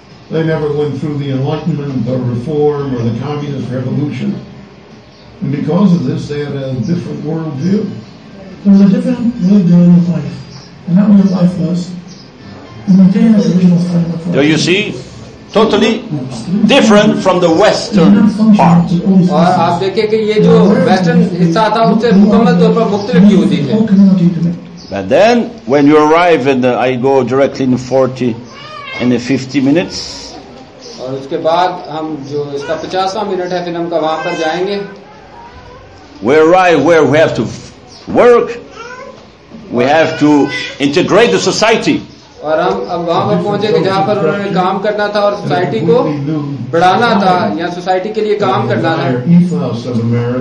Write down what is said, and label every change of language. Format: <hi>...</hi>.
<en>They never went through the Enlightenment or Reform or the Communist Revolution. And because of this, they had a different worldview. There was a different way of dealing with life. And that way of life was to maintain the original framework for life. Do you see? Totally different from the Western part.</en> <hi>और आप देखें कि ये जो Western हिस्सा था उससे मुकम्मल तौर पर मुख्तलिफ यहूदी थे.</hi> <en>But then, when you arrive and I go directly in 40, in the 50 minutes.</en> <hi>और उसके बाद हम जो इसका 50वां मिनट है फिर हम कब वहाँ पर जाएंगे?</hi> <en>We arrive where we have to work. We have to integrate the society.</en> <hi>और हम अब वहां पर पहुंचे कि जहां पर उन्होंने काम करना था और सोसाइटी को बढ़ाना था या सोसाइटी के लिए काम करना था.</hi>